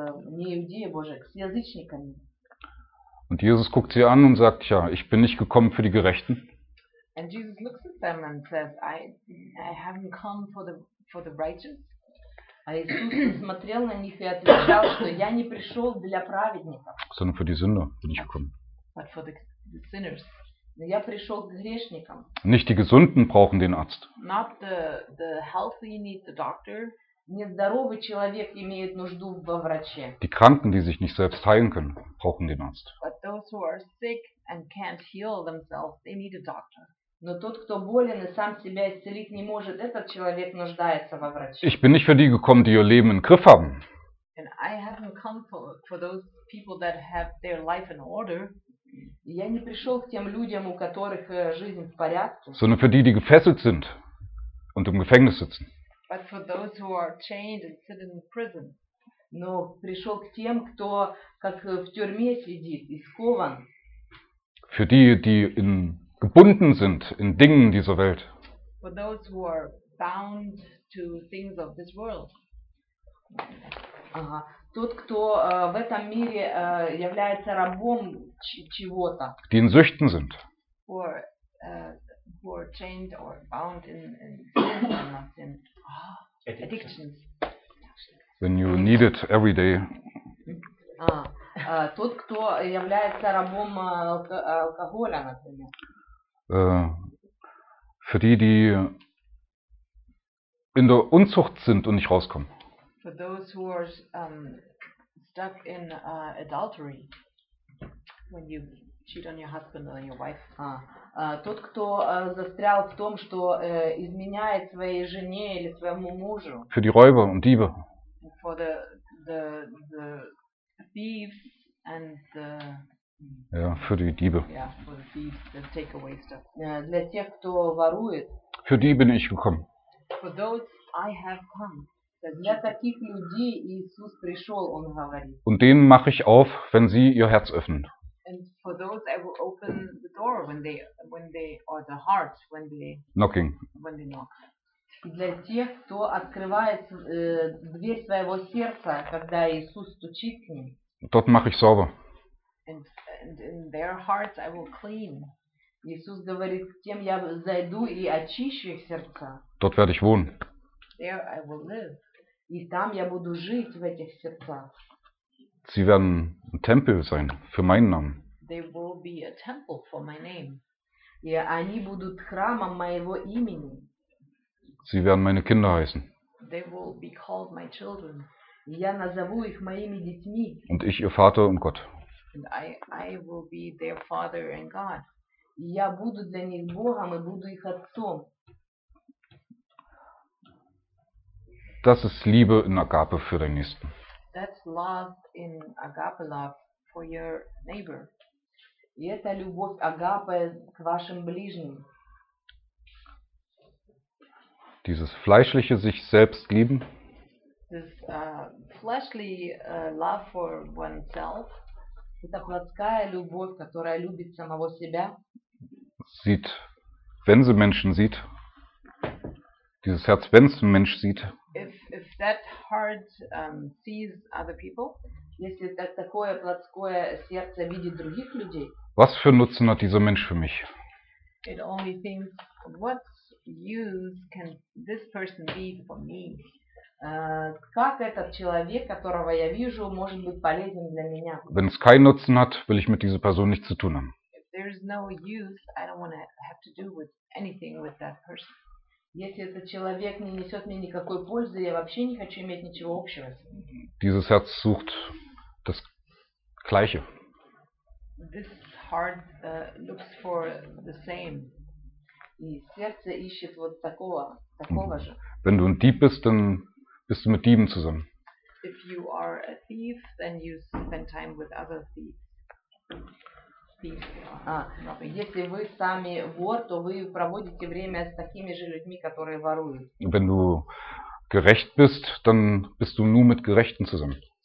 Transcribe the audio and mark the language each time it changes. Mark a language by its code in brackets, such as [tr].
[ru] Не иудеи, Боже, с язычниками. [de] Und Jesus guckt sie an und sagt, ja, ich bin nicht gekommen für die Gerechten. [en] And Jesus looks at them and says, I haven't come for the righteous. [ru] А Иисус смотрел на них и отвечал, что я не пришел для праведников. [de] Sondern für die Sünder bin ich gekommen. [en] But for the sinners. [ru] Я пришел к грешникам. [de] Nicht die Gesunden brauchen den Arzt. [en] Not the healthy need the doctor. [ru] Нездоровый человек имеет нужду во враче. [de] Die Kranken, die sich nicht selbst heilen können, brauchen den Arzt. [en] But those who are sick and can't heal themselves, they need a doctor. [ru] Но тот, кто болен и сам себя исцелить не может, этот человек нуждается во враче. [de] Ich bin nicht für die gekommen, die ihr Leben in Griff haben. [en] And I haven't come for those people that have their life in order. [ru] Я не пришел к тем людям, у которых жизнь в порядке. [de] Sondern für die gefesselt sind und im Gefängnis sitzen. [en] But for those who are chained and sit in prison. [ru] Но пришел к тем, кто как в тюрьме сидит и скован. [de] Für die in gebunden sind in Dingen dieser Welt. [en] For those who are bound to things of this world. [ru] Ага. Тот, кто в этом мире является рабом чего-то. [de] Die in Süchten sind. [en] Who are chained or bound in addictions. When you need it every day. [ru] Тот, кто является рабом алкоголя, например. [de] Für die in der Unzucht sind und nicht rauskommen. [en] For those who are stuck in adultery. When you cheat on your husband or your wife. [ru] Тот, кто застрял в том, что изменяет своей жене или своему мужу. [de] Für die Räuber und Diebe. [en] For the thieves and the... [de] Ja, für die Diebe. [en] Yeah, for the thieves that take away stuff. [ru] Для тех, кто ворует. [de] Für die bin ich gekommen. [en] For those I have come. [ru] Для таких людей Иисус пришел, он говорит. [de] Und denen mache ich auf, wenn sie ihr Herz öffnen. [en] And for those I will open the door when they or the heart when they knocking. When they knock. [ru] Для тех, кто открывает дверь своего сердца, когда Иисус стучит к ним. [de] Dort mache ich sauber. [en] And in their hearts I will clean. [ru] Иисус говорит, тем я зайду и очищу их сердца. [de] Dort werde ich wohnen. [en] There I will live. [ru] И там я буду жить в этих сердцах. [de] Sie werden ein Tempel sein für meinen Namen. [en] They will be a temple for my name. [ru] И они будут храмом моего имени. [de] Sie werden meine Kinder heißen. [en] They will be called my children. [ru] Я назову их моими детьми. [de] Und ich ihr Vater und Gott. [en] I will be their father and God. [ru] Я буду для них Богом и буду их отцом. [de] Das ist Liebe in Agape für deinen Nächsten. [en] That's love in agape love for your neighbor. [ru] И это любовь агапе к вашим ближним. [de] Dieses fleischliche sich selbst lieben. [en] This fleshly love for oneself. [ru] Это плотская любовь, которая любит самого себя. [de] Sieht, wenn sie Menschen sieht. Dieses Herz, wenn es ein Mensch sieht. [en] If that heart sees other people. [ru] Если такое плотское сердце видит других людей. [de] Was für Nutzen hat dieser Mensch für mich? [en] It only thinks, what use can this person be for me? [ru] Как этот человек, которого я вижу, может быть полезен для меня? [de] Wenn es keinen Nutzen hat, will ich mit dieser Person nichts zu tun haben. [en] If there is no use, I don't want to have to do with anything with that person. [ru] Если этот человек не несет мне никакой пользы, я вообще не хочу иметь ничего общего с ним. [de] Dieses Herz sucht das Gleiche. [en] This heart looks for the same. [ru] И сердце ищет вот такого же. [de] Wenn du ein Dieb bist, dann bist du mit Dieben zusammen. [en] If you are a thief, then you spend time with other thieves. [ru] Если вы сами вор, то вы проводите время с такими же людьми, которые воруют. [de] Wenn du gerecht bist, dann bist du nur mit Gerechten zusammen.